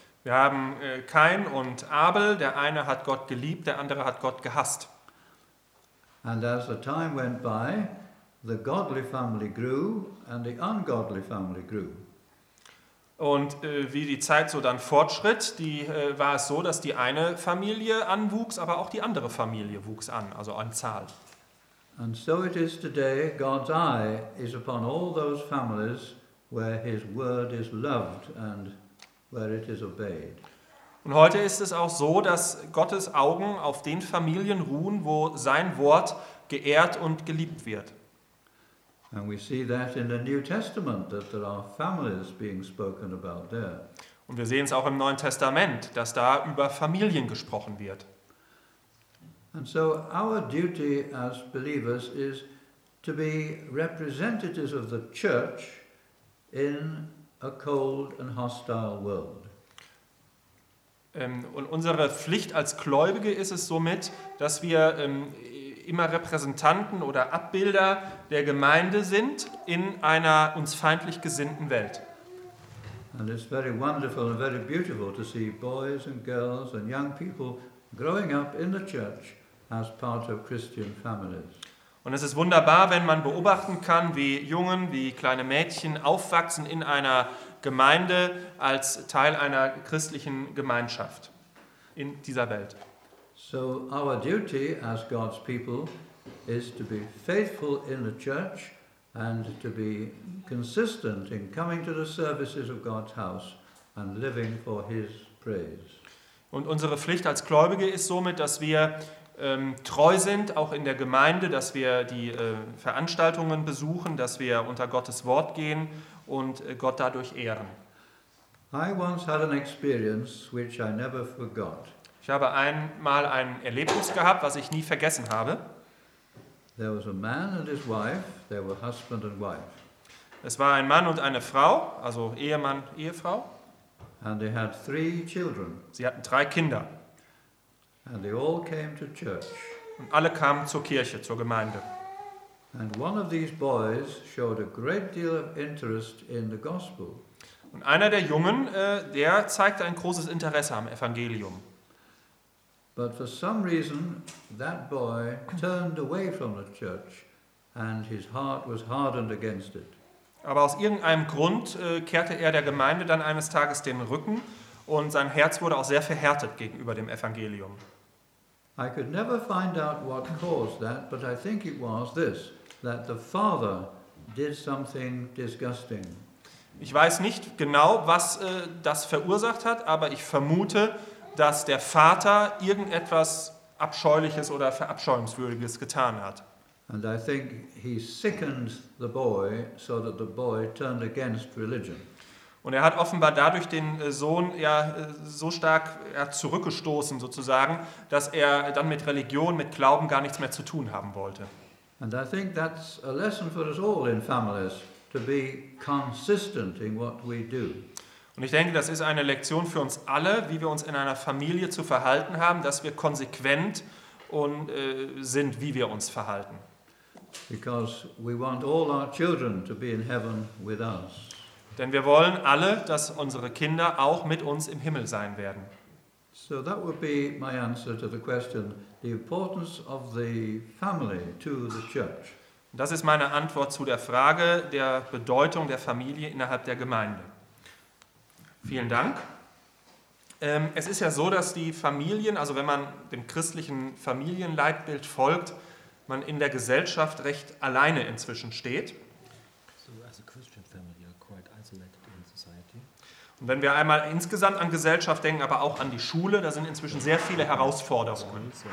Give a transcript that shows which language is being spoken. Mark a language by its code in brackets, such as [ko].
[de] Wir haben Cain und Abel. Der eine hat Gott geliebt, der andere hat Gott gehasst. [en] And as the time went by, the godly family grew and the ungodly family grew. [de] Und wie die Zeit so dann fortschritt, die war es so, dass die eine Familie anwuchs, aber auch die andere Familie wuchs an, also an Zahl. [en] And so it is today, God's eye is upon all those families where his word is loved and where it is obeyed. [de] Und heute ist es auch so, dass Gottes Augen auf den Familien ruhen, wo sein Wort geehrt und geliebt wird. [en] And we see that in the New Testament, that there are families being spoken about there. [de] Und wir sehen es auch im Neuen Testament, dass da über Familien gesprochen wird. [en] And so our duty as believers is to be representatives of the church in a cold and hostile world. [de] Und unsere Pflicht als Gläubige ist es somit, dass wir immer Repräsentanten oder Abbilder der Gemeinde sind in einer uns feindlich gesinnten Welt. [en] And it's very wonderful and very beautiful to see boys and girls and young people growing up in the church as part of Christian families. [de] Und es ist wunderbar, wenn man beobachten kann, wie Jungen, wie kleine Mädchen aufwachsen in einer Gemeinde als Teil einer christlichen Gemeinschaft in dieser Welt. [en] So our duty as God's people is to be faithful in the church and to be consistent in coming to the services of God's house and living for his praise. [de] Und unsere Pflicht als Gläubige ist somit, dass wir treu sind, auch in der Gemeinde, dass wir die Veranstaltungen besuchen, dass wir unter Gottes Wort gehen und Gott dadurch ehren. [en] I once had an experience which I never forgot. [de] Ich habe einmal ein Erlebnis gehabt, was ich nie vergessen habe. [en] There was a man and his wife, they were husband and wife. [de] Es war ein Mann und eine Frau, also Ehemann, Ehefrau. [en] And they had three children. [de] Sie hatten drei Kinder. [en] And they all came to church. [de] Und alle kamen zur Kirche, zur Gemeinde. [en] And one of these boys showed a great deal of interest in the gospel. [de] Und einer der Jungen, der zeigte ein großes Interesse am Evangelium. [en] But for some reason, that boy turned away from the church, and his heart was hardened against it. [de] Aber aus irgendeinem Grund kehrte er der Gemeinde dann eines Tages den Rücken und sein Herz wurde auch sehr verhärtet gegenüber dem Evangelium. [en] I could never find out what caused that, but I think it was this, that the father did something disgusting. [de] Ich weiß nicht genau, was das verursacht hat, aber ich vermute, dass der Vater irgendetwas Abscheuliches oder Verabscheuungswürdiges getan hat. [en] And I think he sickened the boy so that the boy turned against religion. [de] Und er hat offenbar dadurch den Sohn ja so stark zurückgestoßen sozusagen, dass er dann mit Religion, mit Glauben gar nichts mehr zu tun haben wollte. [en] And I think that's a lesson for us all in families, to be consistent in what we do. [de] Und ich denke, das ist eine Lektion für uns alle, wie wir uns in einer Familie zu verhalten haben, dass wir konsequent und sind, wie wir uns verhalten. [en] Because we want all our children to be in heaven with us. [de] Denn wir wollen alle, dass unsere Kinder auch mit uns im Himmel sein werden. [en] So that would be my answer to the question, the importance of the family to the church. [de] Das ist meine Antwort zu der Frage der Bedeutung der Familie innerhalb der Gemeinde. Vielen Dank. Es ist ja so, dass die Familien, also wenn man dem christlichen Familienleitbild folgt, man in der Gesellschaft recht alleine inzwischen steht. [en] So as a Christian family are quite isolated in society. [de] Und wenn wir einmal insgesamt an Gesellschaft denken, aber auch an die Schule, da sind inzwischen sehr viele Herausforderungen.